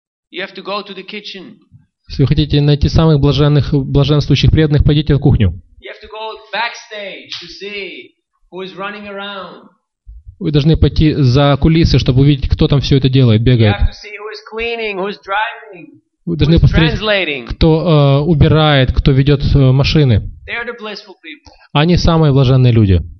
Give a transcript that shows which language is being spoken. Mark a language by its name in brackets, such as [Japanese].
[Russian] Если вы хотите найти самых блаженных, блаженствующих преданных, пойдите в кухню. [English] You have to go backstage to see who is running around. [Russian] Вы должны пойти за кулисы, чтобы увидеть, кто там все это делает, бегает. [English] You have to see who is cleaning, who is driving. [Russian] Вы должны посмотреть, кто убирает, кто ведет машины. Они самые блаженные люди.